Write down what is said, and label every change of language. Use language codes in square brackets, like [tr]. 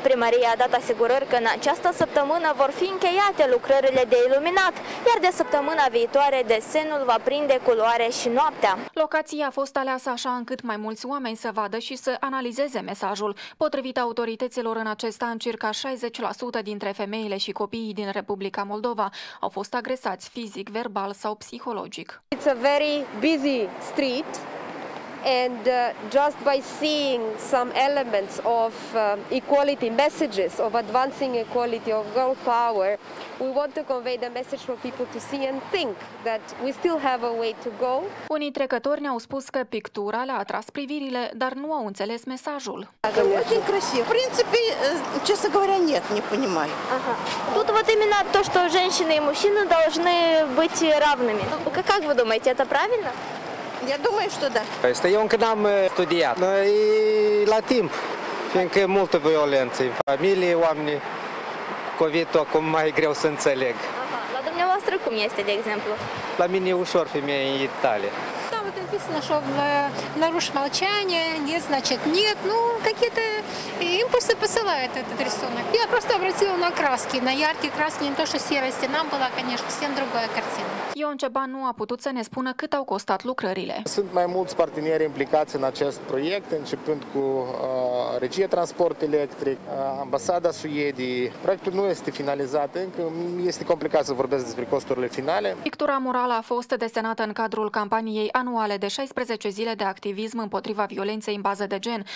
[ro] Primăria a dat asigurări că în această săptămână vor fi încheiate lucrările de iluminat, iar de săptămâna viitoare desenul va prinde culoare și noaptea. Locația a fost aleasă așa încât mai mulți oameni să vadă și să analizeze mesajul. Potrivit autorităților, în acest an, circa 60% dintre femeile și copiii din Republica Moldova au fost agresați fizic, verbal sau psihologic. [en] It's a very busy street and just by seeing some elements of equality messages, of advancing equality, of girl power, we want to convey the message for people to see and think that we still have a way to go. [ro] Unii trecători ne-au spus că pictura le-a atras privirile, dar nu au înțeles mesajul. [ru] Тут вот именно то, что женщины и мужчины должны быть равными. Как вы думаете, это правильно? Я думаю, что да. [ro] Este, eu încă n-am studiat. [ru] Но и [ro] la timp, fiindcă e multă violență în familie, oamenii COVID-ul acum mai greu să înțeleg. Aha. La dumneavoastră cum este, de exemplu? La mine e ușor, femeie în Italia. [ru] Да, вот написано, что нарушь молчание, нет, значит нет. Ну, какие-то импульсы посылает этот рисунок. Я просто обратила на краски, на яркие краски, не то, что серости. Нам была, конечно, всем другая картина. [ro] Ion Ceban nu a putut să ne spună cât au costat lucrările. Sunt mai mulți parteneri implicați în acest proiect, începând cu Regia Transport Electric, Ambasada Suediei. Proiectul nu este finalizat încă, este complicat să vorbesc despre costurile finale. Pictura murală a fost desenată în cadrul campaniei anuale de 16 zile de activism împotriva violenței în bază de gen.